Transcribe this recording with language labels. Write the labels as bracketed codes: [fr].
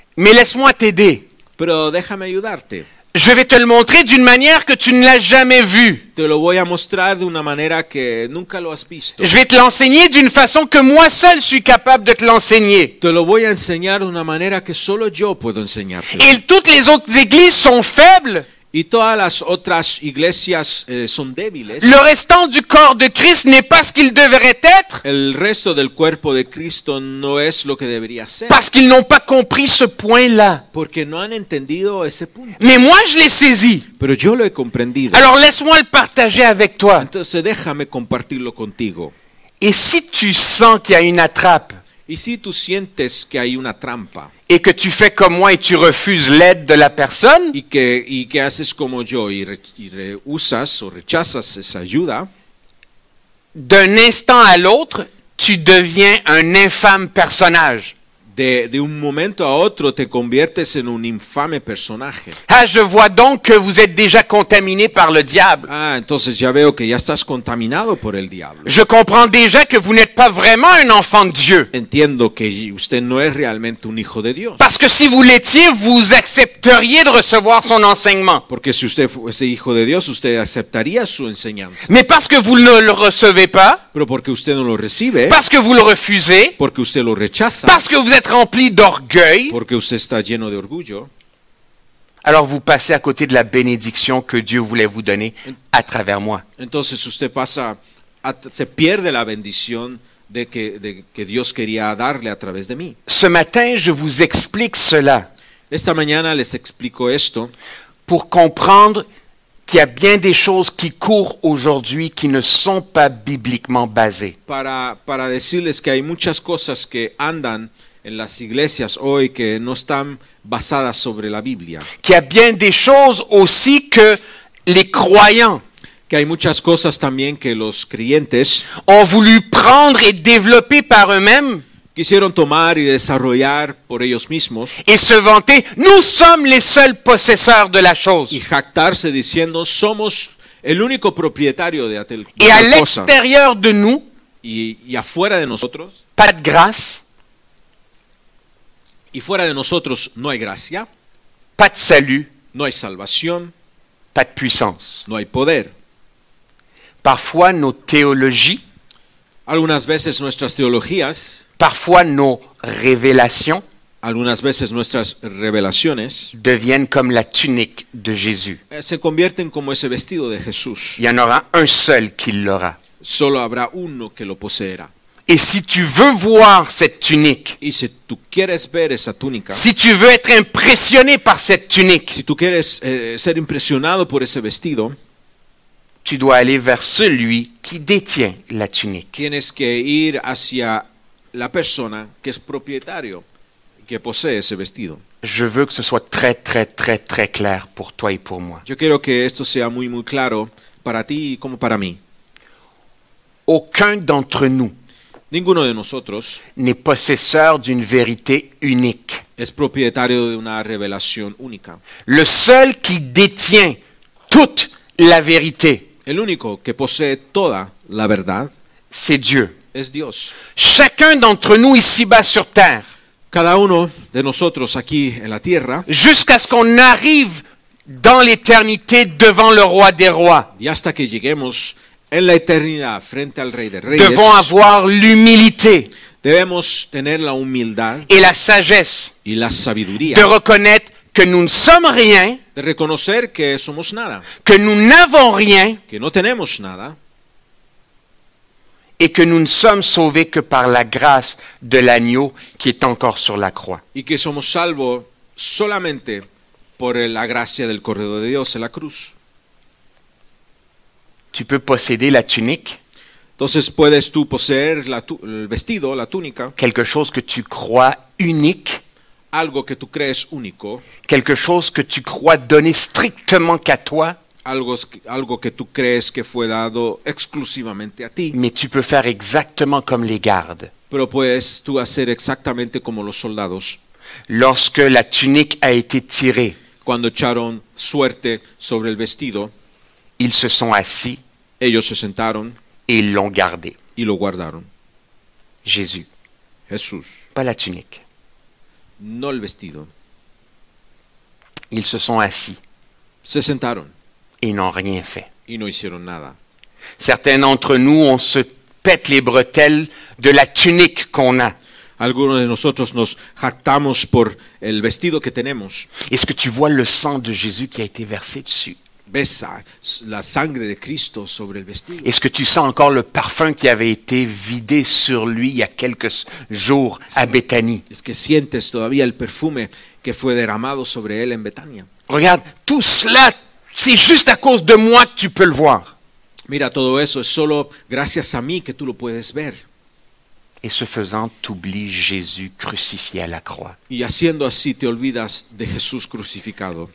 [fr] Mais laisse-moi t'aider. [es] Pero déjame ayudarte. [fr] Je vais te le montrer d'une manière que tu ne l'as jamais vu. [es] Te lo voy a mostrar de una manera que nunca lo has visto. [fr] Je vais te l'enseigner d'une façon que moi seul suis capable de te l'enseigner. [es] Te lo voy a enseñar de una manera que solo yo puedo enseñarte. [fr] Et toutes les autres églises sont faibles. [es] Y todas las otras iglesias son débiles. [fr] Le restant du corps de Christ n'est pas ce qu'il devrait être. [es] El resto del cuerpo de Cristo no es lo que debería ser. [fr] Parce qu'ils n'ont pas compris ce point-là. [es] Porque no han entendido ese punto. [fr] Mais moi je l'ai saisi. [es] Pero yo lo he comprendido. [fr] Alors laisse-moi le partager avec toi. [es] Entonces déjame compartirlo contigo. [fr] Et si tu sens qu'il y a une attrape? [es] Y si tú sientes que hay una trampa. [fr] Et que tu fais comme moi et tu refuses l'aide de la personne. [es] Y que haces como yo rechazas esa ayuda. [fr] D'un instant à l'autre, tu deviens un infâme personnage. [es] De un momento a otro te conviertes en un infame personaje. [fr] Ah, je vois donc que vous êtes déjà contaminé par le diable. [es] Ah, entonces ya veo que ya estás contaminado por el diablo. [fr] Je comprends déjà que vous n'êtes pas vraiment un enfant de Dieu. [es] Entiendo que usted no es realmente un hijo de Dios. [fr] Parce que si vous l'étiez, vous accepteriez de recevoir son enseignement. [es] Porque si usted fuese hijo de Dios, usted aceptaría su enseñanza. [fr] Mais parce que vous ne le recevez pas. [es] Pero porque usted no lo recibe. [fr] Parce que vous le refusez. [es] Porque usted lo rechaza. [fr] Parce que vous êtes rempli d'orgueil. [es] Porque usted está lleno de orgullo. [fr] Alors vous passez à côté de la bénédiction que Dieu voulait vous donner à travers moi. [es] Entonces usted pasa, se pierde la bendición de que Dios quería darle a través de mí. [fr] Ce matin, je vous explique cela. [es] Esta mañana les explico esto. [fr] Pour comprendre qu'il y a bien des choses qui courent aujourd'hui qui ne sont pas bibliquement basées. [es] Para decirles que hay muchas cosas que andan en las iglesias hoy que no están basadas sobre la Biblia. [fr] Qu'il y a bien des choses aussi que les croyants, [es] que hay muchas cosas también que los creyentes [fr] ont voulu prendre et développer par eux-mêmes, [es] quisieron tomar y desarrollar por ellos mismos, [fr] et se vanter, nous sommes les seuls possesseurs de la chose, [es] y jactarse diciendo somos el único propietario de tal cosa, [fr] et à l'extérieur de nous, [es] y afuera de nosotros, [fr] pas de grâce. [es] Y fuera de nosotros no hay gracia, [fr] pas de salut, [es] no hay salvación, [fr] pas de puissance, [es] no hay poder. [fr] Parfois nos théologies, [es] algunas veces nuestras teologías, [fr] parfois nos révélations, [es] algunas veces nuestras revelaciones, [fr] deviennent comme la tunique de Jésus. [es] Se convierten como ese vestido de Jesús. [fr] Y en aura un seul qui l'aura. [es] Solo habrá uno que lo poseerá. [fr] Et si tu veux voir cette tunique, [es] y si, tú quieres ver esa túnica, [fr] si tu veux être impressionné par cette tunique, [es] si tú quieres, ser impresionado por ese vestido, [fr] tu dois aller vers celui qui détient la tunique. [es] Tienes que ir hacia la persona que es propietario, que posee ese vestido. [fr] Je veux que ce soit très, très, très, très clair pour toi et pour moi. [es] Yo quiero que esto sea muy, muy claro para ti como para mí. [fr] Aucun d'entre nous, [es] ninguno de nosotros, [fr] n'est possesseur d'une vérité unique. [es] Es propietario de una revelación única. [fr] Le seul qui détient toute la vérité, [es] el único que posee toda la verdad, [fr] c'est Dieu. [es] Es Dios. [fr] Chacun d'entre nous ici-bas sur terre, [es] cada uno de nosotros aquí en la tierra, [fr] jusqu'à ce qu'on arrive dans l'éternité devant le roi des rois, [es] y hasta que lleguemos en la eternidad frente al rey de reyes, debemos [fr] avoir l'humilité, [es] debemos tener la humildad y [fr] la sagesse, [es] y la sabiduría [fr] de reconnaître que nous ne sommes rien, [es] de reconocer que somos nada, [fr] que nous n'avons rien, [es] que no tenemos nada, [fr] et que nous ne sommes sauvés que par la grâce de l'agneau qui est encore sur la croix. [es] Y que somos salvos solamente por la gracia del cordero de Dios en la cruz. [fr] Tu peux posséder la tunique. [es] Entonces puedes tú poseer el vestido, la túnica. [fr] Quelque chose que tu crois unique. [es] Algo que tú crees único. [fr] Quelque chose que tu crois donné strictement qu'à toi. [es] Algo que tú crees que fue dado exclusivamente a ti. [fr] Mais tu peux faire exactement comme les gardes. [es] Pero puedes tú hacer exactamente como los soldados. [fr] Lorsque la tunique a été tirée. [es] Cuando echaron suerte sobre el vestido. [fr] Ils se sont assis. [es] Ellos se sentaron. [fr] Et ils l'ont gardé. [es] Y lo guardaron. [fr] Jésus. [es] Jesús. [fr] Pas la tunique. [es] No el vestido. [fr] Ils se sont assis. [es] Se sentaron. [fr] Ils n'ont rien fait. Ils [es] no hicieron nada. [fr] Certains d'entre nous, on se pète les bretelles de la tunique qu'on a. [es] Algunos de nosotros nos jactamos por el vestido que tenemos. [fr] Est-ce que tu vois le sang de Jésus qui a été versé dessus? [es] Ves la sangre de Cristo sobre el vestido. [fr] Est-ce que tu sens encore le parfum qui avait été vidé sur lui il y a quelques jours à Bethanie? Est-ce que [es] sientes todavía el perfume que fue derramado sobre él en Betania? [fr] Regarde, tout cela, c'est juste à cause de moi que tu peux le voir. [es] Mira, todo eso es solo gracias a mí que tú lo puedes ver. [fr] Et ce faisant, tu oublies Jésus crucifié à la croix. [es] Y haciendo así, te olvidas de Jesús crucificado.